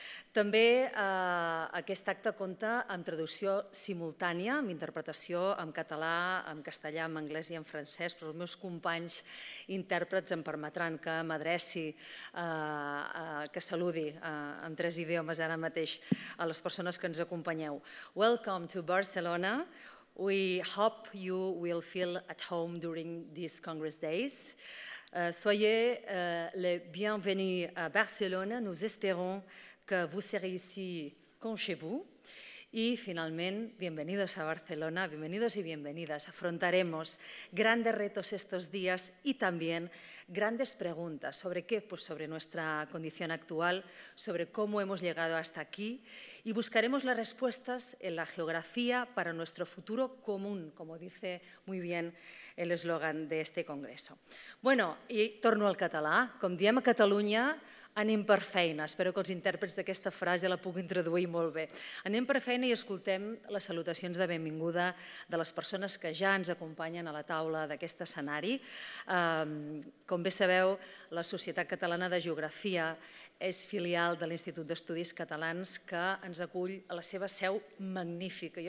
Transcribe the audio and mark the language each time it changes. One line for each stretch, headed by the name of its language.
Catalan: També aquest acte compta amb traducció simultània, amb interpretació en català, en castellà, en anglès i en francès, però els meus companys intèrprets em permetran que m'adreci, que saludi en tres idiomes ara mateix a les persones que ens acompanyeu.
English: Welcome to Barcelona. We hope you will feel at home during these Congress days.
French: Soyez les bienvenus à Barcelone. Nous espérons que vous serez ici comme chez vous.
Spanish: Y finalmente, bienvenidos a Barcelona, bienvenidos y bienvenidas. Afrontaremos grandes retos estos días y también grandes preguntas. ¿Sobre qué? Pues sobre nuestra condición actual, sobre cómo hemos llegado hasta aquí. Y buscaremos las respuestas en la geografía para nuestro futuro común, como dice muy bien el eslogan de este congreso.
Catalan: Bueno, y torno al català. Com diem a Catalunya, anem per feina. Espero que els intèrprets d'aquesta frase la puguin traduir molt bé. Anem per feina i escoltem les salutacions de benvinguda de les persones que ja ens acompanyen a la taula d'aquest escenari. Com bé sabeu, la Societat Catalana de Geografia és filial de l'Institut d'Estudis Catalans, que ens acull a la seva seu magnífica.